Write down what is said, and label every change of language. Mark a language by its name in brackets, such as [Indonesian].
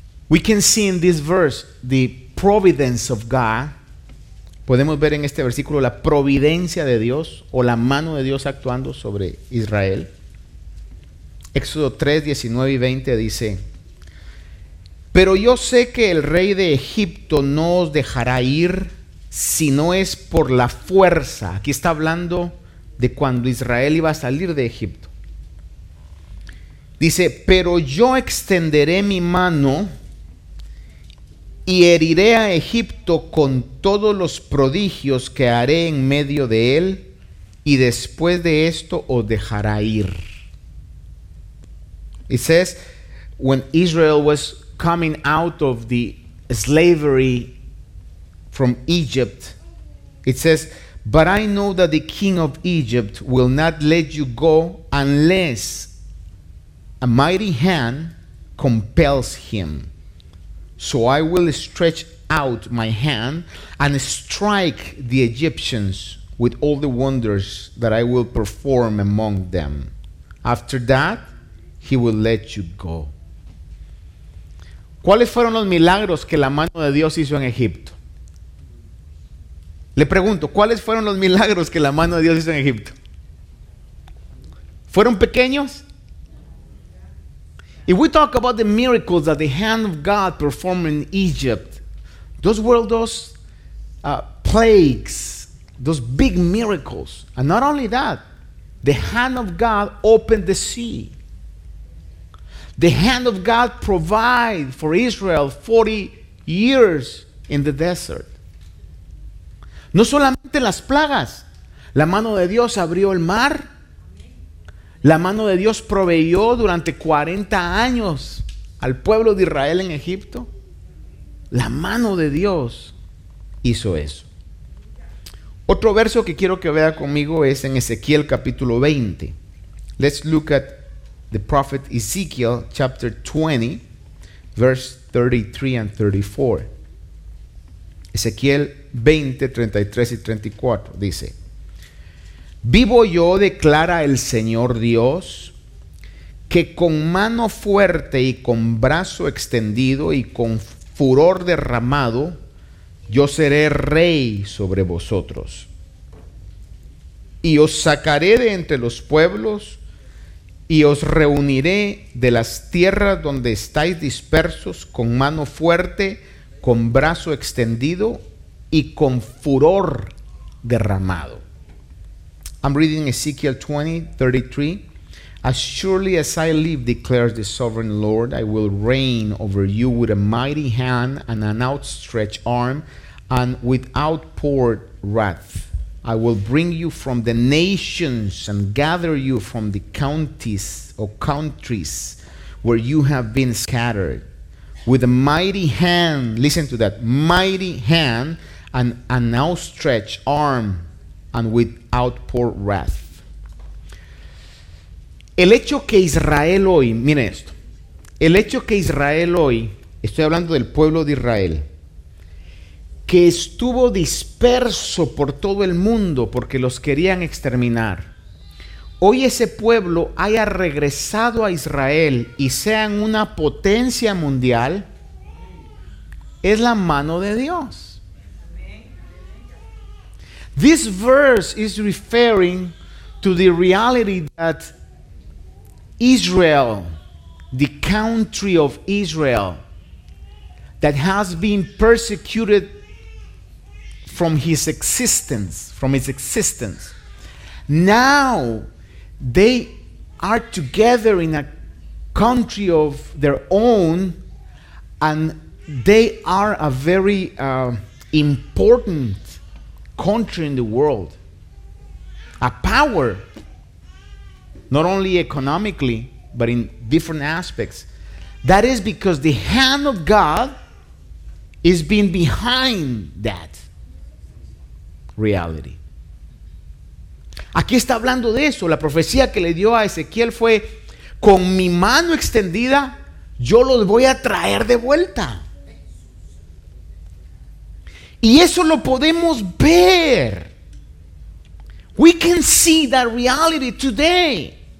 [English] We can see in this verse the providence of God. [Spanish] Podemos ver en este versículo la providencia de Dios o la mano de Dios actuando sobre Israel. Éxodo 3, 19 y 20 dice: Pero yo sé que el rey de Egipto no os dejará ir si no es por la fuerza. Aquí está hablando de cuando Israel iba a salir de Egipto. Dice: Pero yo extenderé mi mano y heriré a Egipto con todos los prodigios que haré en medio de él, y después de esto os dejará ir. [English] It says, when Israel was coming out of the slavery from Egypt, it says, But I know that the king of Egypt will not let you go unless a mighty hand compels him. So I will stretch out my hand and strike the Egyptians with all the wonders that I will perform among them. After that, he will let you go. [Spanish] ¿Cuáles fueron los milagros que la mano de Dios hizo en Egipto? Le pregunto, ¿cuáles fueron los milagros que la mano de Dios hizo en Egipto? ¿Fueron pequeños? [English] If we talk about the miracles that the hand of God performed in Egypt, those were those plagues, those big miracles. And not only that, the hand of God opened the sea. The hand of God provided for Israel 40 years in the desert. [Spanish] No solamente las plagas, la mano de Dios abrió el mar. La mano de Dios proveyó durante 40 años al pueblo de Israel en Egipto. La mano de Dios hizo eso. Otro verso que quiero que vea conmigo es en Ezequiel capítulo 20. [English] Let's look at the prophet Ezekiel chapter 20, verse 33 and 34. [Spanish] Ezequiel 20, 33 y 34 dice: Vivo yo, declara el Señor Dios, que con mano fuerte y con brazo extendido y con furor derramado, yo seré rey sobre vosotros. Y os sacaré de entre los pueblos y os reuniré de las tierras donde estáis dispersos con mano fuerte, con brazo extendido y con furor derramado. [English] I'm reading Ezekiel 20, 33. As surely as I live, declares the sovereign Lord, I will reign over you with a mighty hand and an outstretched arm and with outpoured wrath. I will bring you from the nations and gather you from the counties or countries where you have been scattered. With a mighty hand, listen to that, mighty hand and an outstretched arm and with outpour wrath. [Spanish] El hecho que Israel hoy, mire esto, el hecho que Israel hoy, estoy hablando del pueblo de Israel, que estuvo disperso por todo el mundo porque los querían exterminar, hoy ese pueblo haya regresado a Israel y sean una potencia mundial, es la mano de Dios. [English] This verse is referring to the reality that Israel, the country of Israel, that has been persecuted from his existence, now they are together in a country of their own, and they are a very important country in the world, a power, not only economically but in different aspects. That is because the hand of God is being behind that. reality. [Spanish] Aquí está hablando de eso. La profecía que le dio a Ezequiel fue: con mi mano extendida, yo los voy a traer de vuelta. Y eso lo podemos ver. [English] We can see that reality today.